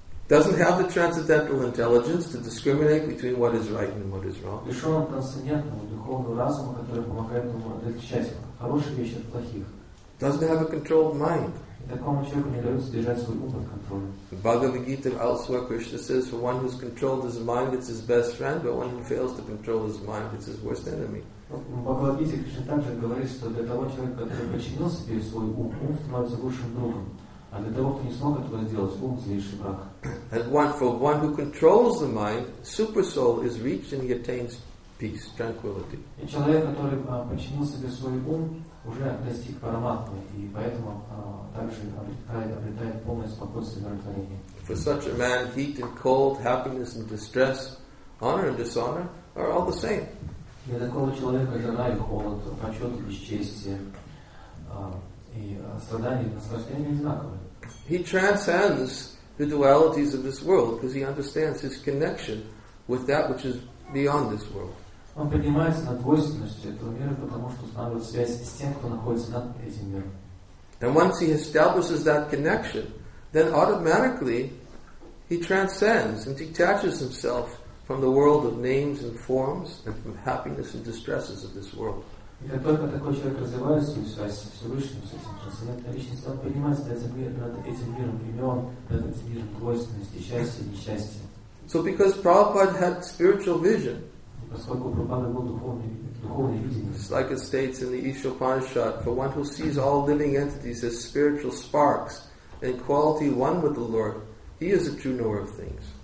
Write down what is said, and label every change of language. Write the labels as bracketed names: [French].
[English] doesn't have the transcendental intelligence to discriminate between what is right and what is wrong. [Russian] Лишён трансцендентного духовного разума, который помогает ему отличать хорошие вещи от плохих. [English] Doesn't have a controlled mind. [Russian] Такому человеку не дается держать свой ум под контролем. [English] The Bhagavad Gita elsewhere, Krishna says, for one who's controlled his mind, it's his best friend, but one who fails to control his mind, it's his worst enemy. [Russian] Бхагавад Гите Кришна также говорит, что для того человека, который подчинил себе свой ум, ум становится лучшим другом. А для того, кто не смог этого сделать, ум злейший враг. [English] And one, for one who controls the mind, super soul is reached and he attains peace, tranquility. [Russian] И человек, который подчинил себе свой ум, уже достиг параматмы, и поэтому также обретает полное спокойствие и умиротворение. [English] For such a man, heat and cold, happiness and distress, honor and dishonor are all the same. [Russian] Для такого человека жара и холод, почет и бесчестие, и страдания и наслаждения одинаковы. [English] He transcends the dualities of this world because he understands his connection with that which is beyond this world. [Russian] Он поднимается над двойственностью этого мира, потому что устанавливает связь с тем, кто находится над этим миром. [English] And once he establishes that connection, then automatically he transcends and detaches himself from the world of names and forms and from happiness and distresses of this world. [Russian] И как только такой человек развивает свою связь с Всевышним, с этим трансцендентной личностью, он поднимается над этим миром имен, над этим миром двойственности, счастья и несчастья. [English] So because Prabhupada had spiritual vision, [Russian] поскольку Прабхупада был духовный видение, [English] it's like it states in the Isha Upanishad, for one who sees all living entities as spiritual sparks and quality one with the Lord, he is a true knower of things.